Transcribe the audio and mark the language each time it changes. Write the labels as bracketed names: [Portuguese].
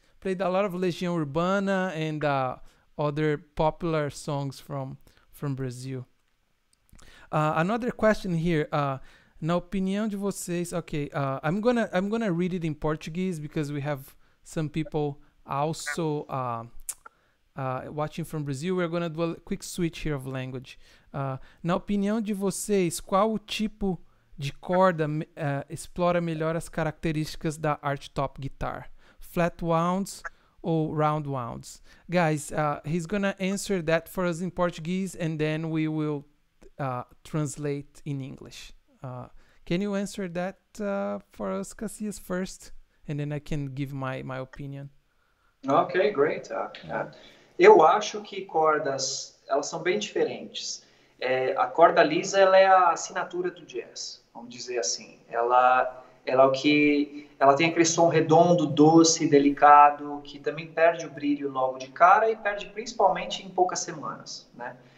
[English] Played a lot of Legião Urbana and other popular songs from Brazil. Another question here. [Portuguese] Na opinião de vocês, [English] okay. I'm gonna read it in Portuguese because we have some people also watching from Brazil. We're gonna do a quick switch here of language. [Portuguese] Na opinião de vocês, qual o tipo de corda explora melhor as características da archtop guitar? [English] Flat wounds or round wounds? Guys, he's gonna answer that for us in Portuguese and then we will translate in English. Can you answer that for us, Cassias, first? And then I can give my opinion. Okay, great. [Portuguese] Eu acho que cordas, elas são bem diferentes. É, a corda lisa, ela é a assinatura do jazz, vamos dizer assim. Ela é o que... Ela tem aquele som redondo, doce, delicado, que também perde o brilho logo de cara e perde principalmente em poucas semanas, né?